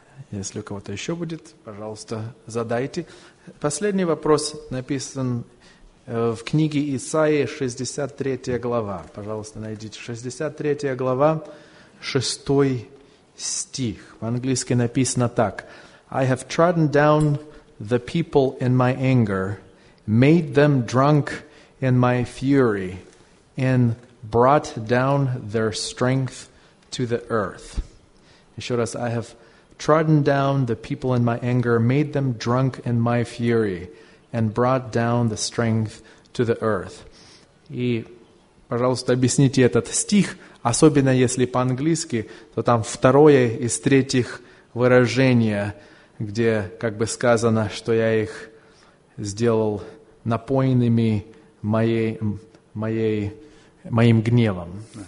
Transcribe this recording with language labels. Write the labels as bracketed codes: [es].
[ru] Если у кого-то еще будет, пожалуйста, задайте. Последний вопрос написан в книге Исаии, 63 глава. Пожалуйста, найдите. 63 глава, 6 стих. По-английски написано так. [en] «I have trodden down the people in my anger, made them drunk in my fury, and brought down their strength to the earth». [ru] Еще раз, [en] «I have trodden down the people in my anger, made them drunk in my fury, and brought down the strength to the earth». [ru] И, пожалуйста, объясните этот стих, особенно если по-английски, то там второе из третьих выражения, где как бы сказано, что я их сделал напоенными моим гневом.